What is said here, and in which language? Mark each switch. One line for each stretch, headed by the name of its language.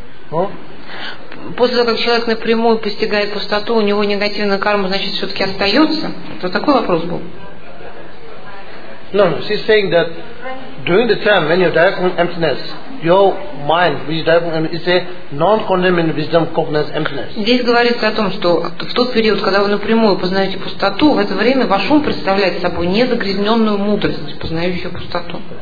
English: Okay.
Russian: После того, как человек напрямую постигает пустоту, у него негативная карма, значит, все-таки остается? Это такой вопрос был?
English: No, she's saying that during the time when you're directly in emptiness, your mind, which is directly in, is a non-condemning wisdom, cognizance, emptiness.
Russian: Здесь говорится о том, что в тот период, когда вы напрямую познаете пустоту, в это время ваш ум представляет собой незагрязненную мудрость, познающую пустоту.